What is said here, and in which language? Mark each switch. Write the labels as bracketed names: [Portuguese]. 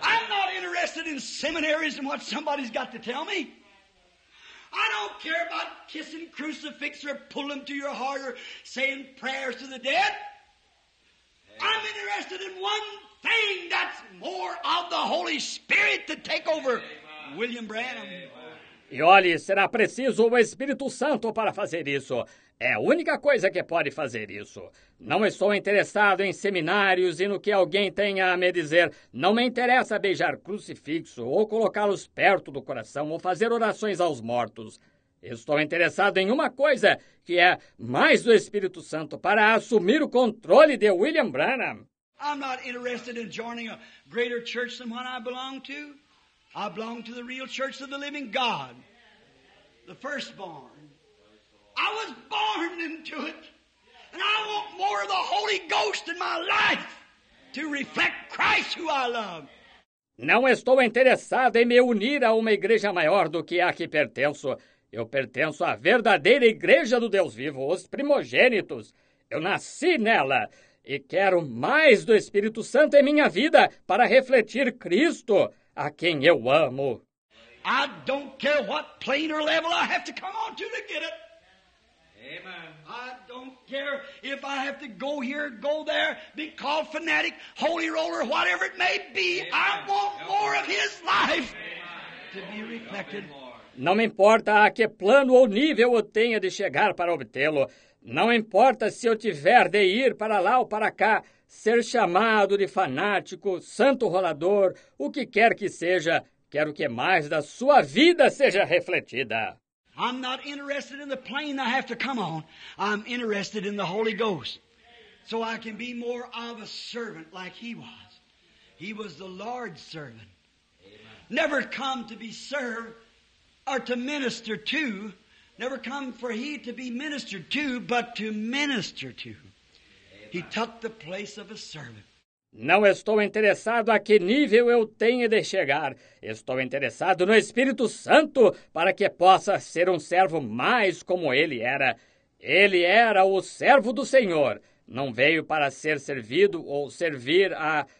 [English] I'm not interested in seminaries and what somebody's got to tell me. I don't care about kissing crucifix or pulling them to your heart or saying prayers to the dead. Amen. I'm interested in one thing, that's more of the Holy Spirit to take over. Amen. William Branham. Amen. [Portuguese] E olhe, será preciso o Espírito Santo para fazer isso. É a única coisa que pode fazer isso. Não estou interessado em seminários e no que alguém tenha a me dizer. Não me interessa beijar crucifixo ou colocá-los perto do coração ou fazer orações aos mortos. Estou interessado em uma coisa, que é mais do Espírito Santo para assumir o controle de William Branham. [English] I'm not interested in joining a greater church than one I belong to. I belong to the real church of the living God, the firstborn. I was born into it, and I want more of the Holy Ghost in my life to reflect Christ who I love. [Portuguese] Não estou interessado em me unir a uma igreja maior do que a que pertenço. Eu pertenço à verdadeira igreja do Deus vivo, os primogênitos. Eu nasci nela. E quero mais do Espírito Santo em minha vida para refletir Cristo, a quem eu amo. [English] I don't care what plane or level I have to come on to get it. Amen. I don't care if I have to go here, go there, be called fanatic, holy roller, whatever it may be. Amen. I want more of his life. Amen. To be reflected. [Portuguese] Não me importa a que plano ou nível eu tenha de chegar para obtê-lo. Não importa se eu tiver de ir para lá ou para cá, ser chamado de fanático, santo rolador, o que quer que seja, quero que mais da sua vida seja refletida. [English] I'm not interested in the plane I have to come on. I'm interested in the Holy Ghost. So I can be more of a servant like he was. He was the Lord's servant. Never come to be served or to minister to. Never come for he to be ministered to, but to minister to. He took the place of a servant. [Portuguese] Não estou interessado a que nível eu tenha de chegar. Estou interessado no Espírito Santo para que possa ser um servo mais como ele era. Ele era o servo do Senhor. Não veio para ser servido ou servir a...